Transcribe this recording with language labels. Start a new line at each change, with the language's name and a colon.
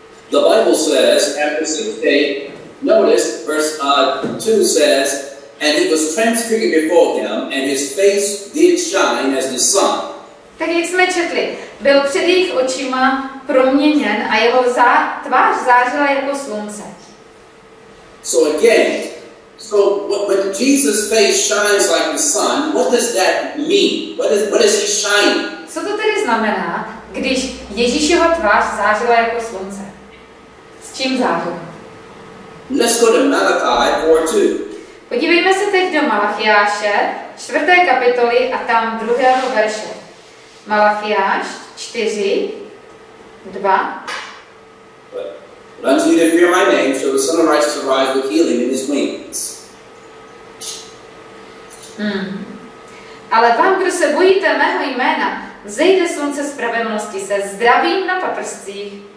English: The Bible says, after 6 days, notice, verse 2 says, and it was transfigured before him, and his face did shine as the sun.
Czech: Tak jak jsme četli, byl před jejich očima proměněn a jeho tvář zářila jako slunce.
English: So again, so when Jesus' face shines like the sun, what does that mean? What is he shining?
Czech: Co to tedy znamená, když Ježíšova tvář zářila jako slunce? S čím zářila?
English: Let's go to 4, 2.
Czech: Podívejme se teď do Malachiáše, 4. kapitoly a tam 2. verše. Malachiáš 4, 2.
English: But unto you that fear my name, shall the Son of Righteous arise with healing in his wings.
Czech: Ale vám, kdo se bojíte mého jména, vzejde slunce spravedlnosti se zdravím na paprscích.